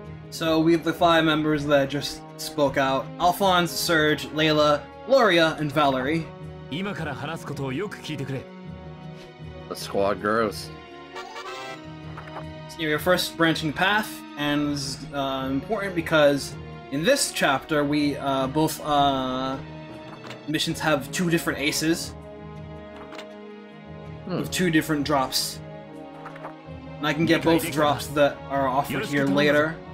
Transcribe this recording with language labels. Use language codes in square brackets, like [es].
[en] So we have the five members that just spoke out: Alphonse, Serge, Layla, Loria, and Valerie. [ja] 今から話すことをよく聞いてくれ。 [en] The squad grows. So you have your first branching path, and this is important because. In this chapter, we both missions have two different aces. With two different drops. And I can get both drops that are offered here later.